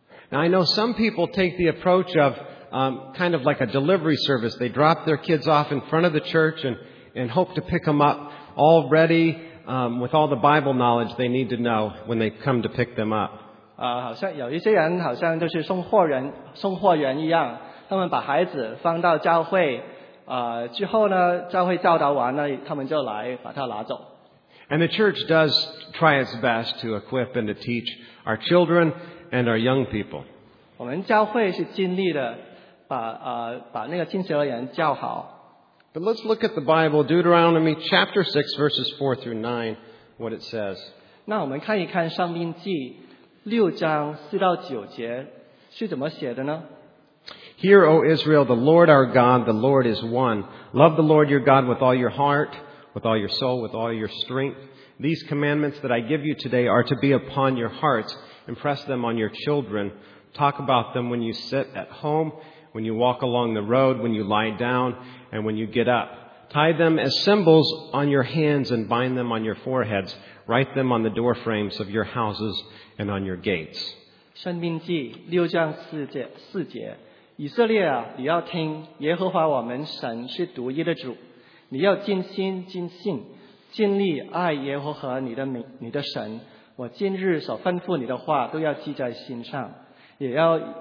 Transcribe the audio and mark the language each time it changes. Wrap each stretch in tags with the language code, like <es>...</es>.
<en>Now I know some people take the approach of kind of like a delivery service. They drop their kids off in front of the church and hope to pick them up all ready with all the Bible knowledge they need to know when they come to pick them up.</en> <zh>好像有一些人好像就是送货员一样，他们把孩子放到教会，之后呢，教会教导完了，他们就来把他拿走。</zh> <en>And the church does try its best to equip and to teach our children and our young people.</en> <zh>我们教会是尽力的。把那个青少年教好。</zh> <en>But let's look at the Bible, Deuteronomy chapter 6, verses 4 through 9, what it says.</en> <zh>那我们看一看《生命记》六章四到九节是怎么写的呢？</zh> <en>Hear, O Israel, the Lord our God, the Lord is one. Love the Lord your God with all your heart, with all your soul, with all your strength. These commandments that I give you today are to be upon your hearts. Impress them on your children. Talk about them when you sit at home. When you walk along the road, when you lie down, and when you get up, tie them as symbols on your hands and bind them on your foreheads. Write them on the door frames of your houses and on your gates.</en> <zh>生命记六章四节，以色列啊，你要听耶和华我们神是独一的主，你要尽心尽性尽力爱耶和华你的神。我今日所吩咐你的话都要记在心上，也要。</zh>